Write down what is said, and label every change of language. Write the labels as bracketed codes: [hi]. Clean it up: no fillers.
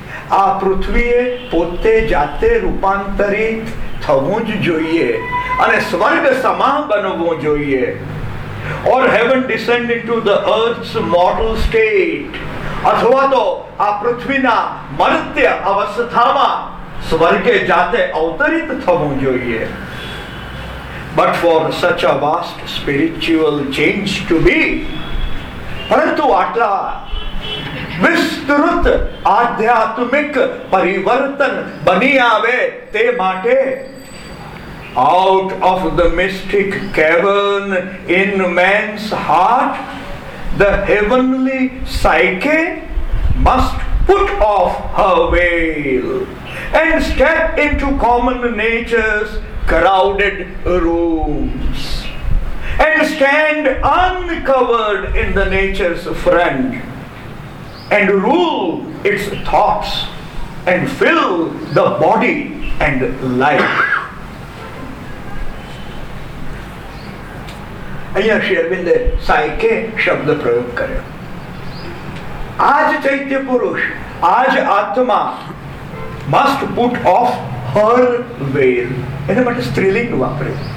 [gu] આ પૃથ્વીએ પોતે જાતે રૂપાંતરિત થવું જ જોઈએ અને સ્વર્ગ સમાન બનવું જોઈએ. [en] Or heaven descend into the earth's mortal state. [gu] અથવા તો આ પૃથ્વીના મર્ત્ય અવસ્થામાં સ્વર્ગે જાતે અવતરિત થવું જોઈએ. [en] But for such a vast spiritual change to be, [gu] પરંતુ આટલા વિસ્તૃત આધ્યાત્મિક પરિવર્તન બની આવે તે માટે [en] out of the mystic cavern in man's heart the heavenly psyche must put off her veil and step into common nature's crowded rooms and stand uncovered in the nature's front and rule its thoughts and fill the body and life. [gu] અહીંયા શ્રી અરવિંદે સાયકે શબ્દ પ્રયોગ કર્યો. આજ ચૈત્ય પુરુષ, આજ આત્મા [en] must put off her veil, [gu] એને માટે સ્ત્રીલિંગ વાપરે.